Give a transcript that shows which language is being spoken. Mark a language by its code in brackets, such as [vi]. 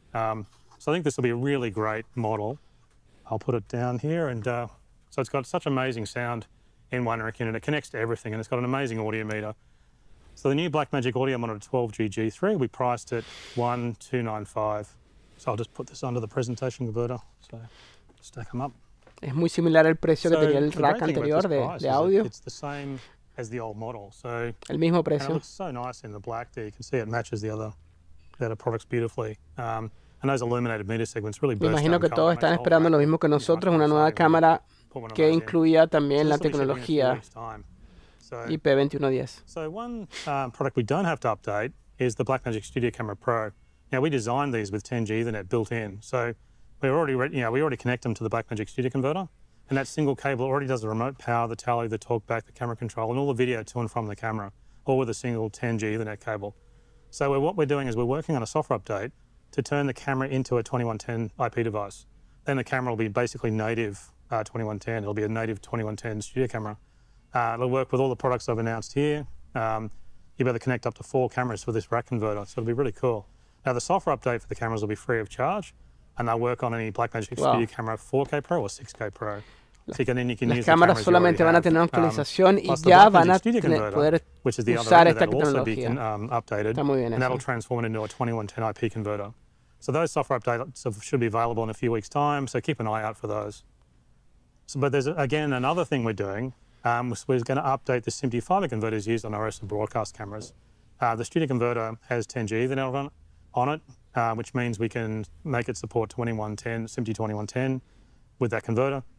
[en] So I think this will be a really great model. I'll put it down here and... So it's got such amazing sound in 1 rack unit. It connects to everything, and it's got an amazing audio meter. So the new Blackmagic Audio Monitor 12G G3, we priced at $1,295. So I'll just put this under the presentation converter. So stack them up. [es] Es muy similar al precio que tenía el rack anterior de audio. [en] It's the same as the old model. So [es] el mismo precio. [en] And it looks so nice in the black there. You can see it matches the other products beautifully. And those illuminated meter segments really burst out. [es] Me imagino que todos están esperando lo mismo que nosotros, una nueva cámara que incluía también la tecnología IP2110. [en] So one product we don't have to update is the Blackmagic Studio Camera Pro. Now, we designed these with 10G Ethernet built in. So we're already, we already connect them to the Blackmagic Studio Converter. And that single cable already does the remote power, the tally, the talk back, the camera control, and all the video to and from the camera, all with a single 10G Ethernet cable. So what we're doing is we're working on a software update to turn the camera into a 2110 IP device. then the camera will be basically native 2110. It'll be a native 2110 studio camera. It'll work with all the products I've announced here. You'll be able to connect up to four cameras with this rack converter, so it'll be really cool. Now, the software update for the cameras will be free of charge, and they'll work on any Blackmagic Studio camera 4K Pro or 6K Pro. [es] Las cámaras solamente van a tener actualización y ya van a poder usar esta tecnología. Está muy bien. [en] And that'll transform it into a 2110 IP converter. So those software updates should be available in a few weeks' time. So keep an eye out for those. So, but there's again another thing we're doing. We're going to update the SMPTE fiber converters used on RS and broadcast cameras. The studio converter has 10G Ethernet on it, which means we can make it support 2110 SMPTE 2110 with that converter.